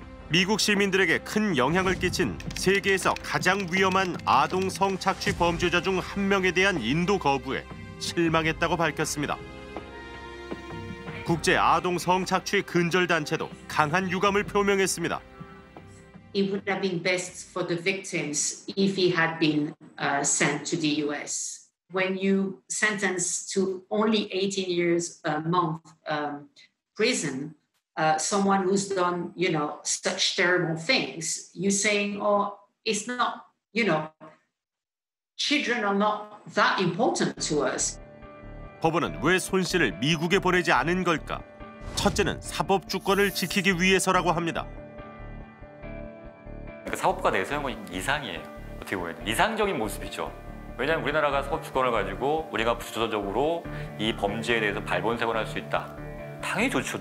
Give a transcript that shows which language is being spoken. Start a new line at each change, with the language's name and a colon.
Korean: 미국 시민들에게 큰 영향을 끼친 세계에서 가장 위험한 아동 성착취 범죄자 중 한 명에 대한 인도 거부에 실망했다고 밝혔습니다. 국제 아동 성착취 근절단체도 강한 유감을 표명했습니다.
English: It would have been best for the victims if he had been sent to the U.S. When you sentence to only 18 years a month prison, someone who's done, you know, such terrible things, you're saying, oh, it's not, you know, children are not that important to us.
Korean: 법원은 왜 손 씨를 미국에 보내지 않은 걸까? 첫째는 사법 주권을 지키기 위해서라고 합니다. 사법부가 내세운 건 이상이에요. 어떻게 보면 이상적인 모습이죠. 왜냐하면 우리나라가 사법 주권을 가지고 우리가 부수적으로 이 범죄에 대해서 발본색을 할 수 있다. 당연히 좋죠.